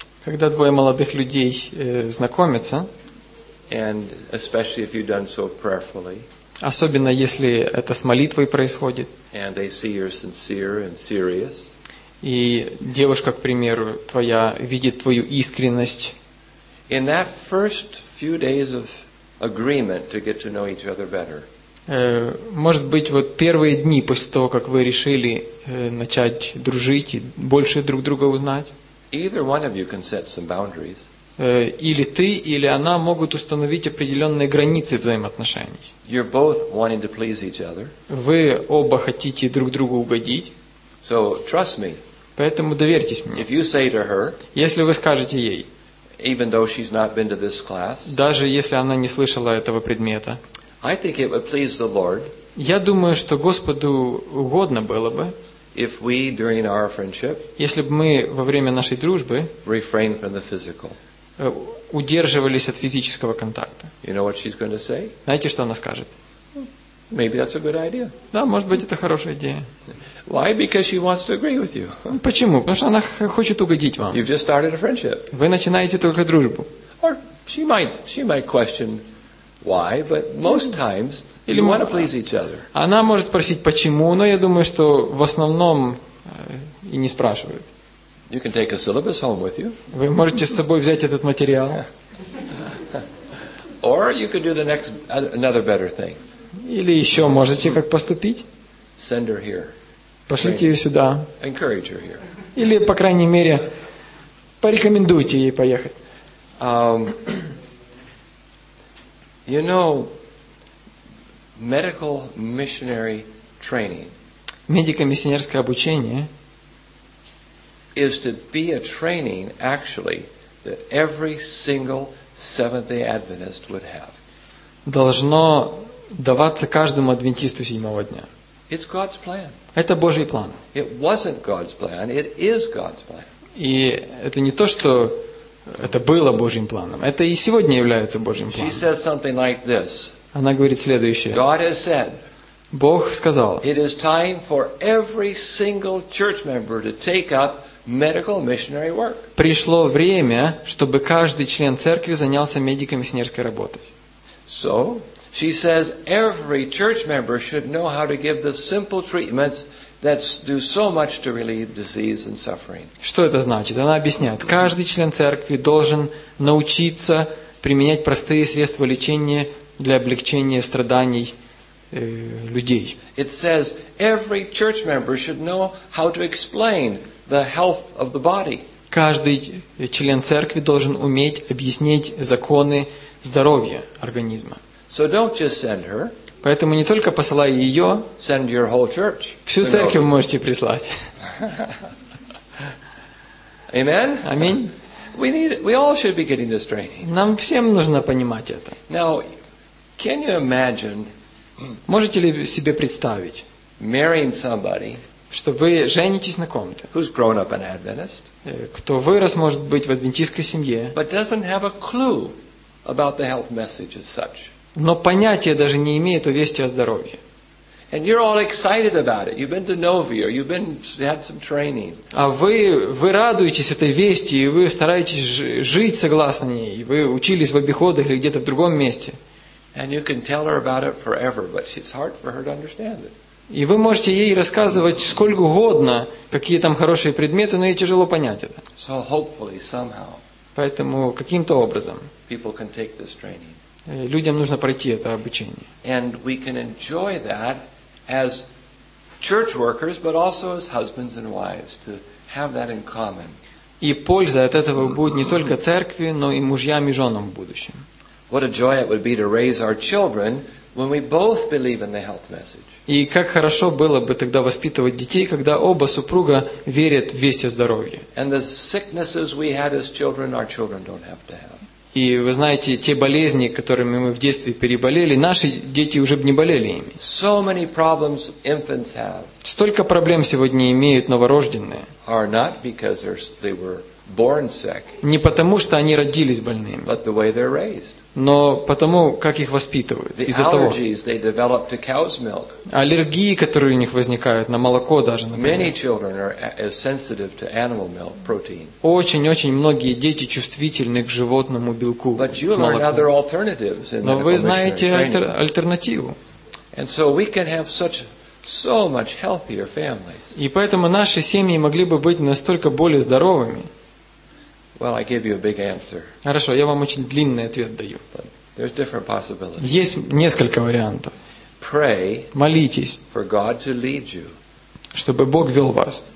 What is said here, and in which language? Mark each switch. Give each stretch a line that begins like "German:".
Russian: когда двое молодых людей знакомятся,
English: and especially if you've done so prayerfully,
Russian: особенно если это с молитвой происходит,
English: and they see you're sincere and serious,
Russian: и девушка, к примеру, твоя, видит твою искренность,
English: in that first few days of agreement to get to know each other better,
Russian: может быть, вот первые дни после того, как вы решили начать дружить и больше друг друга узнать,
English: either one of you can set some boundaries.
Russian: Или ты, или она могут установить определенные границы взаимоотношений.
English: You're both wanting to please each other.
Russian: Вы оба хотите друг другу угодить.
English: So, trust me.
Russian: Поэтому доверьтесь мне.
English: If you say to her,
Russian: если вы скажете ей,
English: even though she's not been to this class,
Russian: даже если она не слышала этого предмета,
English: I think it would please the Lord,
Russian: я думаю, что Господу угодно было бы,
English: if we, during our friendship,
Russian: если бы мы во время нашей дружбы
English: refrain from the physical.
Russian: Удерживались от физического контакта.
English: You know what she's going to say?
Russian: Знаете, что она скажет?
English: Maybe that's a good idea.
Russian: Да, может быть, это хорошая идея.
English: Why? Because she wants to agree with you.
Russian: Почему? Потому что она хочет угодить вам.
English: You've just started a friendship.
Russian: Вы начинаете только дружбу.
English: Or she might question why, but most times you want to please each other.
Russian: Она может спросить почему, но я думаю, что в основном и не спрашивают.
English: You can take a syllabus home with you.
Russian: Вы можете с собой взять этот материал.
English: Or you could do the next another better thing.
Russian: Или еще можете как поступить?
English: Send her here.
Russian: Пошлите ее сюда.
English: Encourage her here.
Russian: Или, по крайней мере, порекомендуйте ей поехать.
English: You know, medical missionary training.
Russian: Медико-миссионерское обучение.
English: Is to be a training, actually, that every single Seventh-day Adventist would have.
Russian: Должно даваться каждому адвентисту седьмого дня.
English: It's God's plan.
Russian: Это Божий план.
English: It wasn't God's plan. It is God's plan.
Russian: И это не то, что это было Божьим планом. Это и сегодня является Божьим планом.
English: She says something like this.
Russian: Она говорит следующее.
English: God has said.
Russian: Бог сказал.
English: It is time for every single church member to take up medical missionary work.
Russian: Пришло время, чтобы каждый член церкви занялся медико-миссионерской работой.
English: So. She says every church member should know how to give the simple treatments that do so much to relieve disease and suffering.
Russian: Что это значит? Она объясняет. Каждый член церкви должен научиться применять простые средства лечения для облегчения страданий людей.
English: It says every church member should know how to explain the health of the body.
Russian: Каждый член церкви должен уметь объяснить законы здоровья организма.
English: So don't just send her.
Russian: Поэтому не только посылай ее.
English: Send your whole church.
Russian: Всю церковь можете прислать.
English: Amen.
Russian: Аминь.
English: We all should be getting this training.
Russian: Нам всем нужно понимать это.
English: Now, can you imagine?
Russian: Можете ли себе представить?
English: Marrying somebody.
Russian: Что вы женитесь на ком-то?
English: Who's grown up an Adventist?
Russian: Кто вырос, может быть, в адвентистской семье?
English: But doesn't have a clue about the health message as such.
Russian: Но понятия даже не имеет о вести о здоровье.
English: And you're all excited about it. You've been to Novia, you've been had some training.
Russian: А вы радуетесь этой вести, и вы стараетесь жить согласно ней. Вы учились в обиходах или где-то в другом месте.
English: And you can tell her about it forever, but it's hard for her to understand it.
Russian: И вы можете ей рассказывать сколько угодно, какие там хорошие предметы, но ей тяжело понять это.
English: So hopefully somehow.
Russian: Поэтому каким-то образом.
English: People can take this training.
Russian: Людям нужно пройти это обучение.
English: And we can enjoy that as church workers, but also as husbands and wives to have that in common.
Russian: И польза от этого будет не только церкви, но и мужьям и женам в будущем.
English: What a joy it would be to raise our children when we both believe in the health message.
Russian: И как хорошо было бы тогда воспитывать детей, когда оба супруга верят в весть о здоровье.
English: And the sicknesses we had as children, our children don't have to have.
Russian: И вы знаете, те болезни, которыми мы в детстве переболели, наши дети уже бы не болели ими.
English: So many problems infants have.
Russian: Столько проблем сегодня имеют новорожденные.
English: Are not because they were born sick.
Russian: Не потому, что они родились больными.
English: But the way they're raised.
Russian: Но потому, как их воспитывают.
English: The allergies they develop to cow's milk.
Russian: Аллергии, которые у них возникают на молоко даже, например.
English: Many children are as sensitive to animal milk protein.
Russian: Очень-очень многие дети чувствительны к животному белку.
English: But you learn other alternatives in
Russian: Но вы знаете альтернативу.
English: And so we can have so much healthier families.
Russian: И поэтому наши семьи могли бы быть настолько более здоровыми.
English: Well, I give you a big answer.
Russian: Хорошо, я вам очень длинный ответ даю.
English: But there's different possibilities.
Russian: Есть несколько вариантов.
English: Pray.
Russian: Молитесь.
English: For God to lead you.
Russian: Чтобы Бог вел вас.